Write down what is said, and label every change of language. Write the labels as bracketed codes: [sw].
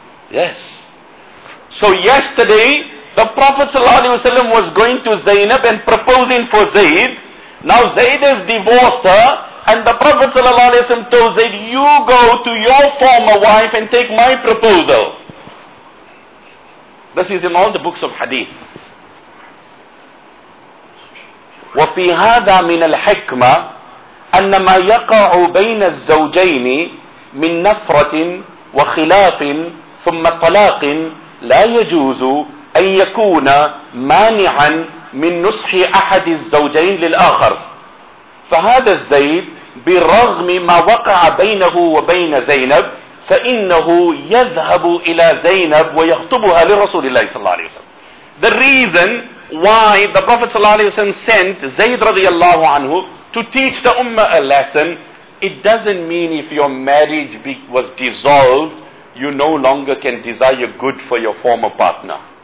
[en] Yes. So yesterday, the Prophet ﷺ was going to Zainab and proposing for Zayd. Now Zayd has divorced her, and the Prophet ﷺ told Zayd, you go to your former wife and take my proposal. This is in all the books of hadith. [ar] وفي هذا من الحكمة أن ما يقع بين الزوجين من نفرة وخلاف ثم طلاق لا يجوز أن يكون مانعا من نصح أحد الزوجين للآخر. فهذا الزيد بالرغم ما وقع بينه وبين زينب فإنه يذهب إلى زينب ويخطبها لرسول الله صلى الله عليه وسلم. [en] The reason why the Prophet صلى الله عليه وسلم sent Zayd رضي الله عنه to teach the Ummah a lesson, it doesn't mean if your marriage was dissolved, you no longer can desire good for your former partner.